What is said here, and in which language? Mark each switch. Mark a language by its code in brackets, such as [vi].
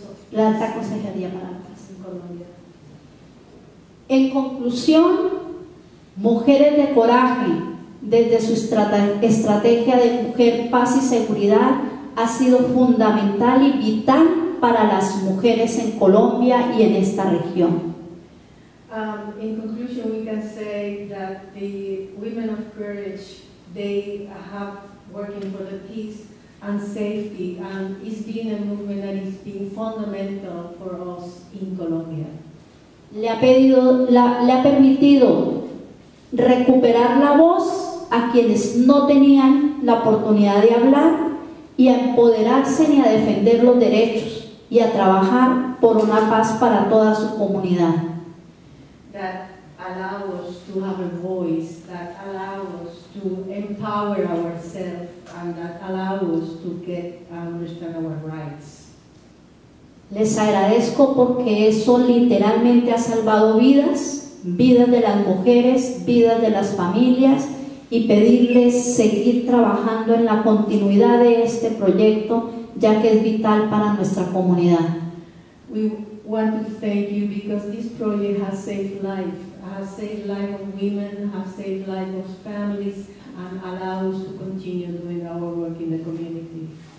[es] La Alta Consejería para la Paz en Colombia. En conclusión, mujeres de coraje, desde su estrategia de mujer, paz y seguridad, ha sido fundamental y vital para las mujeres en Colombia y en esta región. [en] In conclusion, we can say that the women of courage, they have working for the peace and safety, and it's been a movement that is being fundamental for us in Colombia. [es] Le ha permitido recuperar la voz a quienes no tenían la oportunidad de hablar y a empoderarse y a defender los derechos y a trabajar por una paz para toda su comunidad. [en] That allow us to have a voice, that allow us to empower ourselves, and that allow us to get and understand our rights. [es] Les agradezco porque eso literalmente ha salvado vidas, vidas de las mujeres, vidas de las familias, y pedirles seguir trabajando en la continuidad de este proyecto, ya que es vital para nuestra comunidad. [en] We want to thank you because this project has saved life of women, has saved life of families, and allow us to continue doing our work in the community.